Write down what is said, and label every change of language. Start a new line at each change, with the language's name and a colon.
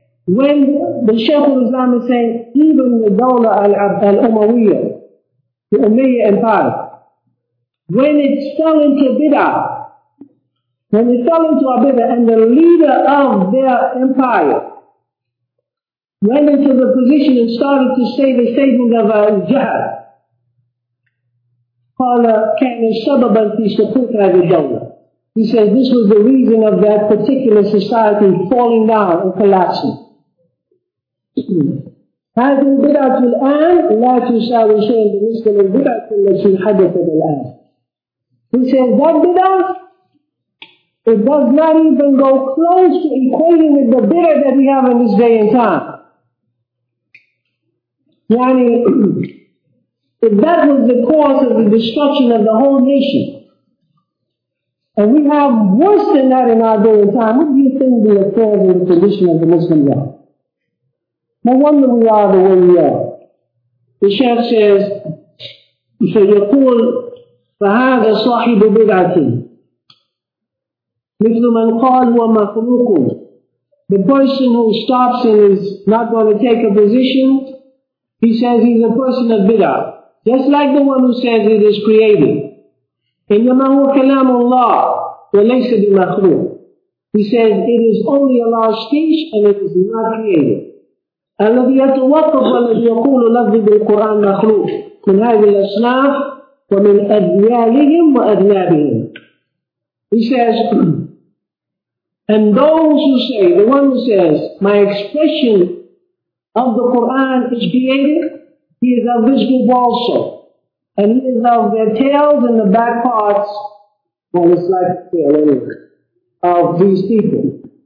English: When the Sheikh of Islam is saying, even the Dawla al-Umawiyya, the Umayyad Empire, when it fell into Bid'ah, when it fell into a Bid'ah and the leader of their empire went into the position and started to say the statement of al-Jahad,
Arabic: Qala kana sababan fi suqut hadhihi al-Dawla.
English: He says, this was the reason of that particular society falling down and collapsing.
Arabic: هذه البدعة الآن لا تساوي شيء بالنسبة للبدعة التي حدثت الآن.
English: He says that bid'a, it does not even go close to equating with the bid'a that we have in this day and time. يعني if that was the cause of the destruction of the whole nation, and we have worse than that in our day and time, what do you think the affairs and the condition of the Muslims are? No wonder we are the way we are. The Sheikh says,
Arabic: فَيَقُولْ فَهَذَا صَاحِبُ بِدْعَةٍ مِثْلُ مَنْ قَالْ وَمَخْلُوقٌ.
English: The person who stops and is not going to take a position, he says he's a person of bid'ah. Just like the one who says it is created.
Arabic: إِنَّمَا هُوَ كَلَامُ اللَّهِ وَلَيْسَ بِمَخْلُوقٍ.
English: He says it is only Allah's speech and it is not created.
Arabic: الذي يتوقف الذي يقول لفظ القرآن مخلوق من هذه الأصناف ومن أذيالهم وأذنابهم.
English: He says, and those who say, the one who says, my expression of the Quran is created, he is of this group also. And he is of their tails and the back parts, well, it's like a tail anyway, of these people.